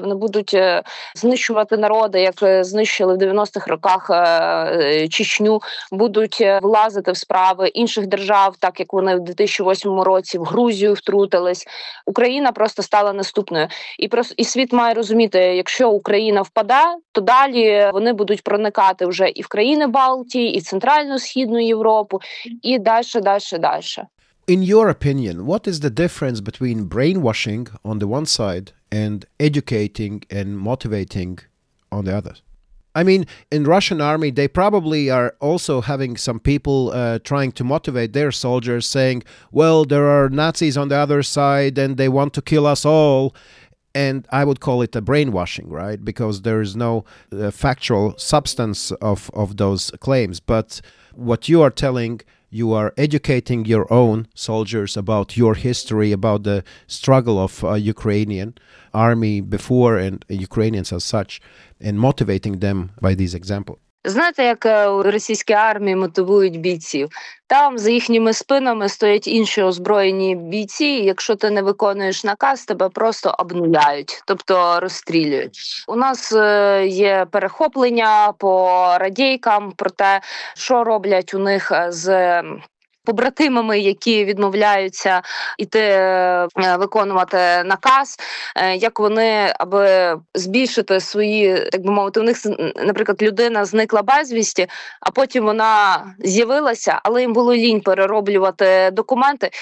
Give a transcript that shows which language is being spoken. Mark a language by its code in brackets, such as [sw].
[uk] Вони будуть знищувати народи, як знищили в 90-х роках Чечню, будуть влазити в справи інших держав, так як вони в 2008 році в Грузію втрутились. Україна просто стала наступною. І світ має розуміти, якщо Україна впаде, то далі вони будуть проникати вже і в країни Балтії, і в Центрально-Східну Європу, і далі, далі, далі. [en] In your opinion, what is the difference between brainwashing on the one side and educating and motivating on the other? I mean, in Russian army, they probably are also having some people trying to motivate their soldiers saying, well, there are Nazis on the other side and they want to kill us all. And I would call it a brainwashing, right? Because there is no factual substance of those claims. But what you are telling, you are educating your own soldiers about your history, about the struggle of Ukrainian army before and Ukrainians as such, and motivating them by these examples. [uk] Знаєте, як у російській армії мотивують бійців? Там за їхніми спинами стоять інші озброєні бійці, і якщо ти не виконуєш наказ, тебе просто обнуляють, тобто розстрілюють. У нас є перехоплення по радійкам про те, що роблять у них з побратимами, які відмовляються іти виконувати наказ, як вони, аби збільшити свої, так би мовити, у них, наприклад, людина зникла безвісті, а потім вона з'явилася, але їм було лінь перероблювати документи.